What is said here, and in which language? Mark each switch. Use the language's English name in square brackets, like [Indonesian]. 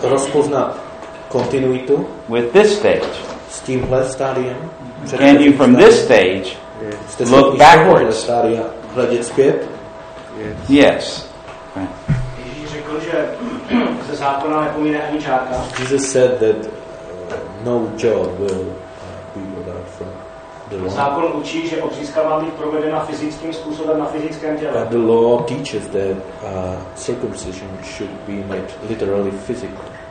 [Czech] Rozpoznat kontinuitu. [English] With this stage. [Czech] S tímhle stádiem. [English] Can you from this stage look backwards? [Czech] Jste schopni z tohohle stádia hledět zpět? [English] Yes. [Czech] Ježíš řekl, že ze zákona nepomíne ani čárka. [English] Jesus said that no jot will be without from the law. [Czech] Zákon učí, že obřízka má být provedena fyzickým způsobem na fyzickém těle. [English] The law teaches that circumcision should be made literally physically.